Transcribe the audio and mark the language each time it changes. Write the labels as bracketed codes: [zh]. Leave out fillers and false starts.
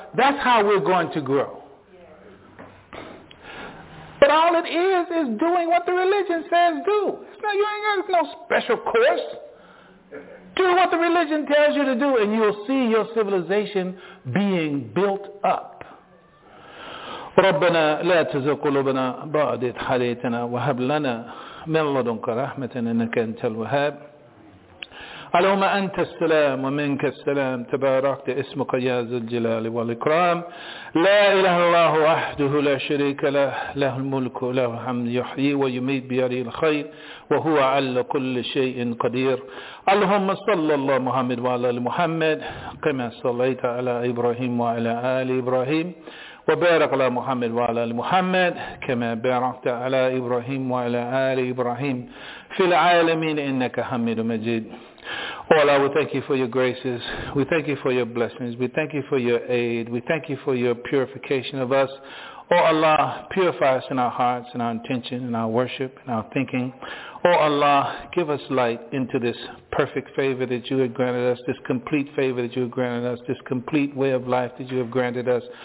[en] That's how we're going to grow. But all it is doing what the religion says do. You ain't got no special course. Do what the religion tells you to do, and you'll see your civilization being built up. [ar] ربنا لا تزغ قلوبنا بعد إذ هديتنا وهب لنا من لدنك رحمة إنك أنت الوهاب اللهم أنت السلام ومنك السلام تباركت اسمك يا ذا الجلال والإكرام لا إله إلا الله وحده لا شريك له له الملك له الحمد يحيي ويميت بيده الخير وهو على كل شيء قدير اللهم صل الله محمد وعلى محمد كما صليت على إبراهيم وعلى آل إبراهيم وبارك على محمد وعلى محمد كما باركت على إبراهيم وعلى آل إبراهيم في العالمين إنك حميد مجيد. [en] Oh Allah, we thank you for your graces. We thank you for your blessings. We thank you for your aid. We thank you for your purification of us. Oh Allah, purify us in our hearts and our intention and our worship and our thinking. Oh Allah, give us light into this perfect favor that you have granted us, this complete favor that you have granted us, this complete way of life that you have granted us.